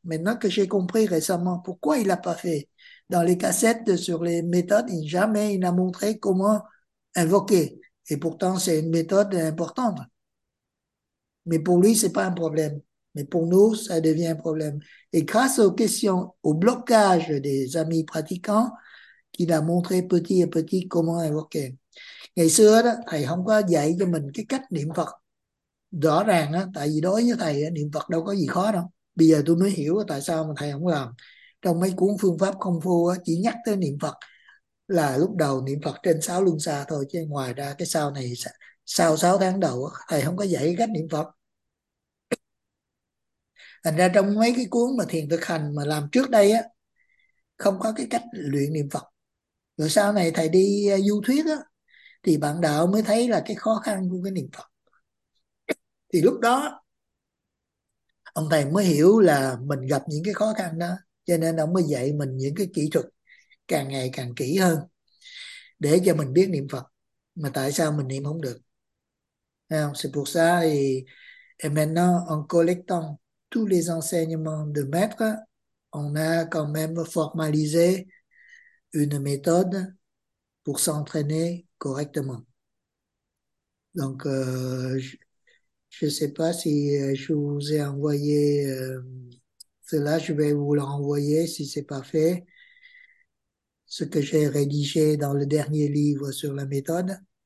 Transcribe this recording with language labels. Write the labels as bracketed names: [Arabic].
[French] Maintenant que j'ai compris récemment pourquoi il l'a pas fait. Dans les cassettes sur les méthodes, jamais il n'a montré comment invoquer. Et pourtant, c'est une méthode importante. Mais pour lui, c'est pas un problème. Mais pour nous, ça devient un problème. Et grâce aux questions, au blocage des amis pratiquants, qu'il a montré petit à petit comment invoquer. [Vietnamese] Ngày xưa, đó, thầy không có dạy cho mình cái cách niệm Phật rõ ràng, đó, tại vì đối với thầy, niệm Phật đâu có gì khó đâu. Bây giờ tôi mới hiểu tại sao mà thầy không làm. Trong mấy cuốn phương pháp công phu, chỉ nhắc tới niệm Phật là lúc đầu niệm Phật trên sáu luân xa thôi, chứ ngoài ra cái sau này, sau 6 tháng đầu, thầy không có dạy cách niệm Phật. Thành ra trong mấy cái cuốn mà thiền thực hành mà làm trước đây á, không có cái cách luyện niệm Phật. Rồi sau này thầy đi du thuyết á, thì bạn đạo mới thấy là cái khó khăn của cái niệm Phật. Thì lúc đó ông thầy mới hiểu là mình gặp những cái khó khăn đó, cho nên ông mới dạy mình những cái kỹ thuật càng ngày càng kỹ hơn để cho mình biết niệm Phật. Mà tại sao mình niệm không được? Thấy không? [French] C'est pour ça et maintenant en collectant tous les enseignements de maître, on a quand même formalisé une méthode pour s'entraîner correctement. Donc, je ne sais pas si je vous ai envoyé cela, je vais vous l'envoyer si ce n'est pas fait, ce que j'ai rédigé dans le dernier livre sur la méthode.